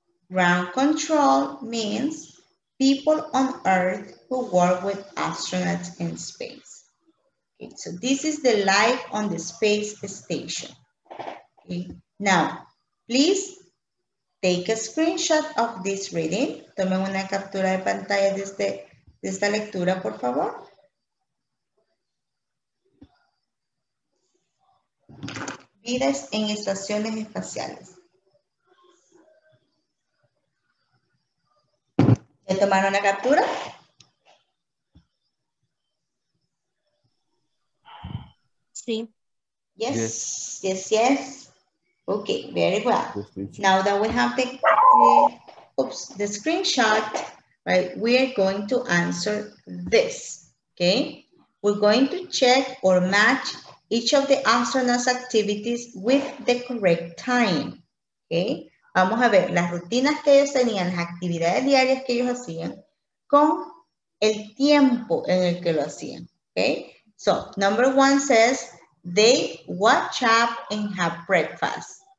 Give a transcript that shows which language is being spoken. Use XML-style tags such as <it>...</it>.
<en>Ground control means people on Earth who work with astronauts in space. Okay, so this is the life on the space station. Okay. Now, please take a screenshot of this reading.</en> <es>Tomen una captura de pantalla de esta lectura, por favor. Vidas en estaciones espaciales. ¿Ya tomaron la captura? Sí.</es> <en>Yes, yes, yes. Yes. Okay, very well. Now that we have the screenshot, right, we are going to answer this, okay? We're going to check or match each of the astronauts' activities with the correct time, okay?</en> <es>Vamos a ver las rutinas que ellos tenían, las actividades diarias que ellos hacían, con el tiempo en el que lo hacían, okay?</es> <en>So, number one says, they watch up and have breakfast.</en>